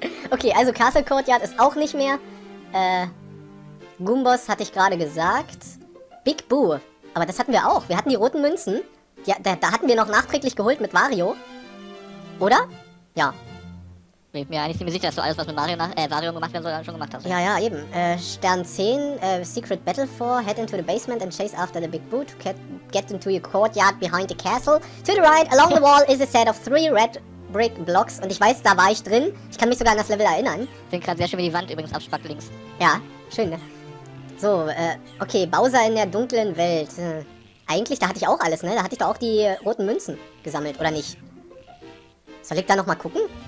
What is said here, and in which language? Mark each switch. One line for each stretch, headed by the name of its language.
German: Okay, also Castle Courtyard ist auch nicht mehr. Goombos hatte ich gerade gesagt. Big Boo. Aber das hatten wir auch. Wir hatten die roten Münzen. Ja, da hatten wir noch nachträglich geholt mit Wario. Oder? Ja. Ich bin mir eigentlich ziemlich sicher, dass du alles, was mit Wario gemacht werden soll, schon gemacht hast. Ja, eben.
English: Stern 10, Secret Battle 4, head into the basement and chase after the big boot. Get into your courtyard behind the castle. To the right, along the wall is a set of 3 red brick blocks.
German: Und ich weiß, da war ich drin. Ich kann mich sogar an das Level erinnern. Ich finde gerade sehr schön, wie die Wand übrigens abspackt links. Ja, schön, ne? So, okay, Bowser in der dunklen Welt. Eigentlich, da hatte ich auch alles, ne? Da hatte ich doch auch die roten Münzen gesammelt, oder nicht? Soll ich da nochmal gucken?